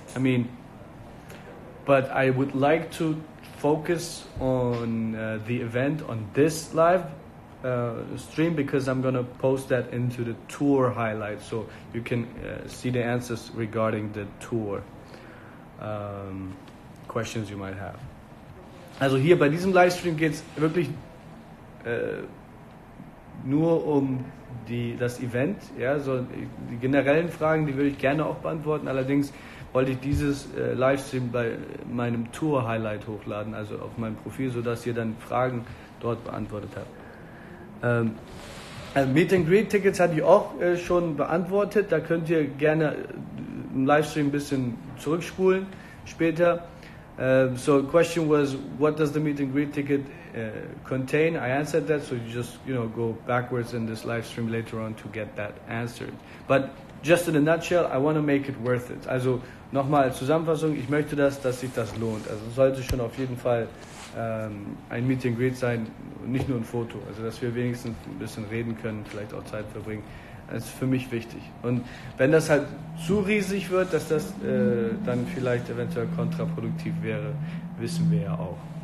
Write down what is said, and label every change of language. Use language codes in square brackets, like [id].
[en] I mean, but I would like to focus on the event, on this live stream, because I'm going to post that into the tour highlights, so you can see the answers regarding the tour. Questions you might have. [de] Also hier bei diesem Livestream geht es wirklich nur um das Event. Ja, so die generellen Fragen, die würde ich gerne auch beantworten. Allerdings wollte ich dieses Livestream bei meinem Tour-Highlight hochladen, also auf meinem Profil, sodass ihr dann Fragen dort beantwortet habt. Also Meet and Greet Tickets hatte ich auch schon beantwortet. Da könnt ihr gerne im Livestream ein bisschen zurückspulen später. [en] So question was, what does the meet and greet ticket contain? I answered that, so you just, you know, go backwards in this live stream later on to get that answered. But just in a nutshell, I want to make it worth it. [de] Also nochmal Zusammenfassung, ich möchte das, dass sich das lohnt. Also sollte schon auf jeden Fall ein meet and greet sein, nicht nur ein Foto. Also dass wir wenigstens ein bisschen reden können, vielleicht auch Zeit verbringen. Das ist für mich wichtig. Und wenn das halt zu riesig wird, dass das dann vielleicht eventuell kontraproduktiv wäre, wissen wir ja auch.